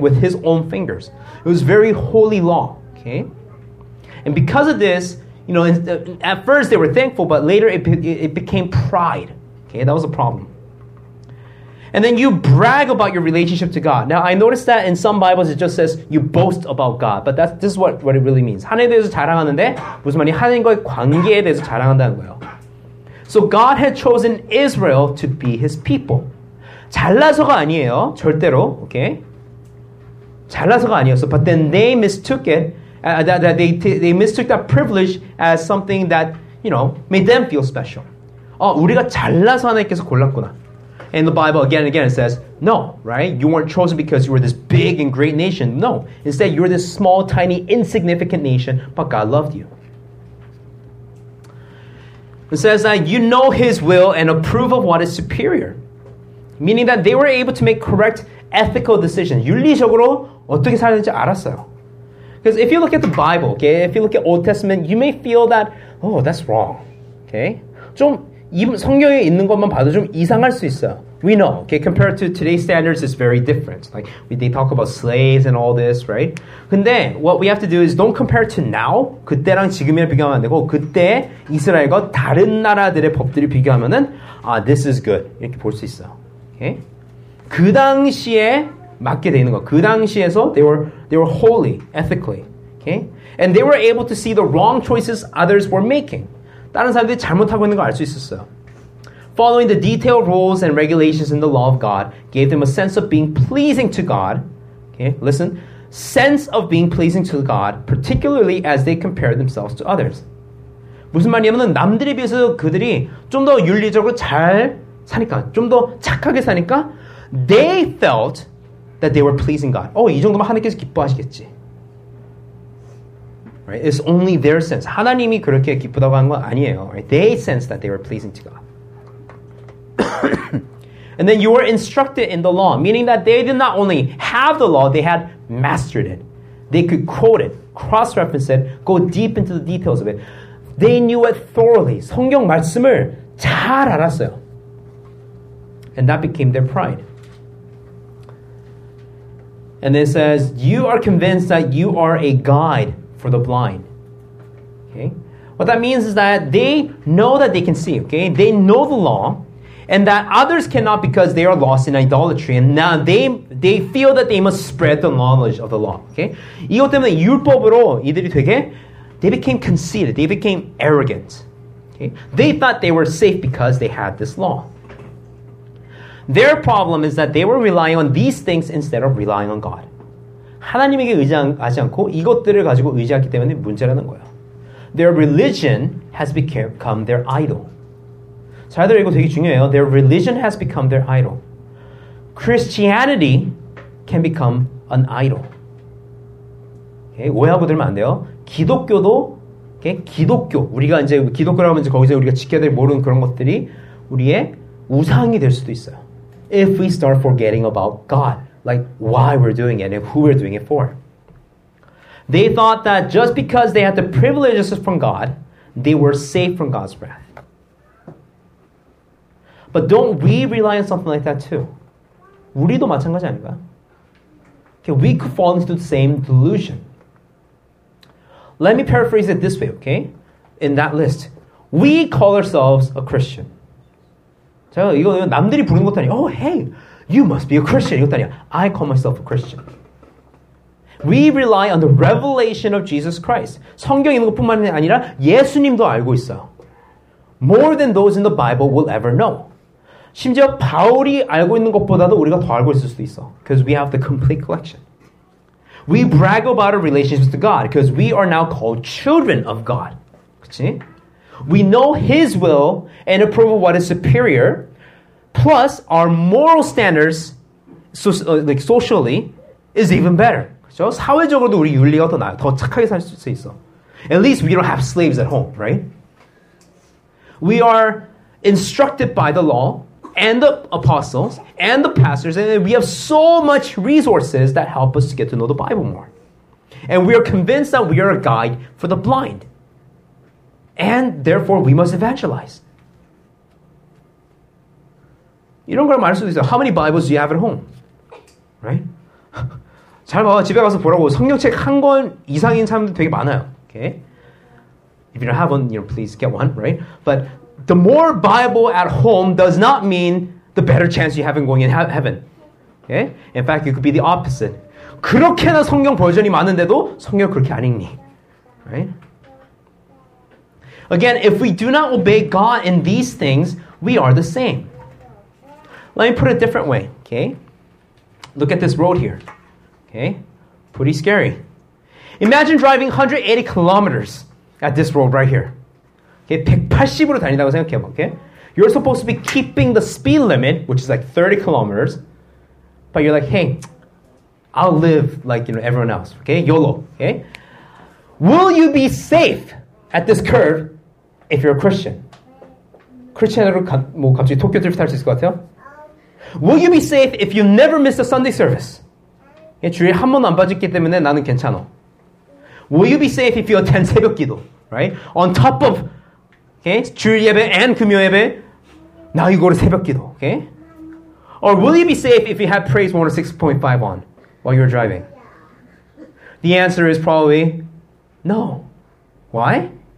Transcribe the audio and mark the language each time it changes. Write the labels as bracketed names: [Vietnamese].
[English] With his own fingers. It was very holy law, okay? And because of this, you know, at first they were thankful, but later it became pride, okay? That was a problem. And then you brag about your relationship to God. Now, I noticed that in some Bibles it just says you boast about God. But this is what it really means. [Korean] 하나님에 대해서 자랑하는데 무슨 말이냐? 하나님과의 관계에 대해서 자랑한다는 거예요. [English] So God had chosen Israel to be his people. [Korean] 잘나서가 아니에요. 절대로. [English] Okay? [Korean] 잘나서가 아니었어. [English] But then they mistook it. They mistook that privilege as something that, you know, made them feel special. [Korean] 우리가 잘나서 하나님께서 골랐구나. [English] In the Bible, again and again, it says, no, right? You weren't chosen because you were this big and great nation. No. Instead, you were this small, tiny, insignificant nation, but God loved you. It says that you know his will and approve of what is superior. Meaning that they were able to make correct ethical decisions. [Korean] 윤리적으로 어떻게 살아야 될지 알았어요. [English] Because if you look at the Bible, okay, if you look at Old Testament, you may feel that, oh, that's wrong. Okay? [Korean] 좀 성경에 있는 것만 봐도 좀 이상할 수 있어. [English] We know, okay? Compared to today's standards, it's very different. Like, they talk about slaves and all this, right? [Korean] 근데, [English] what we have to do is don't compare to now, [Korean] 그때랑 지금이랑 비교하면 안 되고, 그때 이스라엘과 다른 나라들의 법들이 비교하면은, 아, [English] this is good. [Korean] 이렇게 볼 수 있어. Okay? 그 당시에 맞게 되는 거. 그 당시에서 [English] they were holy, ethically. Okay? And they were able to see the wrong choices others were making. [Korean] 다른 사람들이 잘못하고 있는 걸 알 수 있었어요. [English] Following the detailed rules and regulations in the law of God gave them a sense of being pleasing to God. Okay, listen. Sense of being pleasing to God, particularly as they compared themselves to others. [Korean] 무슨 말이냐면 남들에 비해서 그들이 좀 더 윤리적으로 잘 사니까, 좀 더 착하게 사니까 [English] they felt that they were pleasing God. [Korean] 이 정도면 하나님께서 기뻐하시겠지. [English] Right? It's only their sense. [Korean] 하나님이 그렇게 기쁘다고 한 건 아니에요. [English] Right? They sense that they were pleasing to God. And then you were instructed in the law, meaning that they did not only have the law, they had mastered it. They could quote it, cross-reference it, go deep into the details of it. They knew it thoroughly. [Korean] 성경 말씀을 잘 알았어요. [English] And that became their pride. And it says, you are convinced that you are a guide for the blind. Okay? What that means is that they know that they can see, okay? They know the law, and that others cannot because they are lost in idolatry. And now they feel that they must spread the knowledge of the law. Okay? [Korean] 이것 때문에 율법으로 이들이 되게, [English] they became conceited, they became arrogant. Okay? They thought they were safe because they had this law. Their problem is that they were relying on these things instead of relying on God. [Korean] 하나님에게 의지하지 않고 이것들을 가지고 의지하기 때문에 문제라는 거예요. [English] Their religion has become their idol. [Korean] 자들 이거 되게 중요해요. [English] Their religion has become their idol. Christianity can become an idol. Okay? [Korean] 오해하고 들으면 안 돼요. 기독교도, okay? 기독교, 우리가 이제 기독교라고 하면 이제 거기서 우리가 지켜야 될 모르는 그런 것들이 우리의 우상이 될 수도 있어요. [English] If we start forgetting about God. Like, why we're doing it and who we're doing it for. They thought that just because they had the privileges from God, they were safe from God's wrath. But don't we rely on something like that too? [Korean] 우리도 마찬가지 아닌가? [English] Okay, we could fall into the same delusion. Let me paraphrase it this way, okay? In that list. We call ourselves a Christian. [Korean] 자, 이거 남들이 부르는 것도 아니에요. [English] Oh, hey! You must be a Christian. I call myself a Christian. We rely on the revelation of Jesus Christ. [Korean] 성경 읽는 것뿐만 아니라 예수님도 알고 있어. [English] More than those in the Bible will ever know. [Korean] 심지어 바울이 알고 있는 것보다도 우리가 더 알고 있을 수도 있어. [English] Because we have the complete collection. We brag about our relationships to God because we are now called children of God. [Korean] 그치? [English] We know His will and approve of what is superior. Plus, our moral standards, socially, is even better. [Korean] 그쵸? 사회적으로도 우리 윤리가 더 나아요. 더 착하게 살 수 있어. [English] At least we don't have slaves at home, right? We are instructed by the law and the apostles and the pastors, and we have so much resources that help us to get to know the Bible more. And we are convinced that we are a guide for the blind. And therefore, we must evangelize. [Korean] 이런 걸 말할 수도 있어요. [English] How many Bibles do you have at home? Right? [Korean] 잘 봐, 집에 가서 보라고. 성경책 한 권 이상인 사람들 되게 많아요. [English] Okay? If you don't have one, you know, please get one, right? But the more Bible at home does not mean the better chance you have in going in heaven. Okay? In fact, it could be the opposite. [Korean] 그렇게나 성경 버전이 많은데도 성경 그렇게 안 읽니? [English] Right? Again, if we do not obey God in these things, we are the same. Let me put it a different way, okay? Look at this road here, okay? Pretty scary. Imagine driving 180 kilometers at this road right here. [Korean] Okay, 180으로 다닌다고 생각해봐, okay? [English] You're supposed to be keeping the speed limit, which is like 30 kilometers, but you're like, hey, I'll live like, you know, everyone else, okay? YOLO, okay? Will you be safe at this curve if you're a Christian? [Korean] 크리스천으로 뭐 갑자기 도쿄 드리프트 할 수 있을 것 같아요? [English] Will you be safe if you never miss a Sunday service? [Korean] 예, 주일 한 번 안 빠졌기 때문에 나는 괜찮아. [English] Will you be safe if you attend 새벽 기도? Right? On top of, okay, 주일 예배 and 금요 예배, now you go to 새벽 기도. Okay? Or will you be safe if you have praise more than 6.5 on while you're driving? The answer is probably no. Why?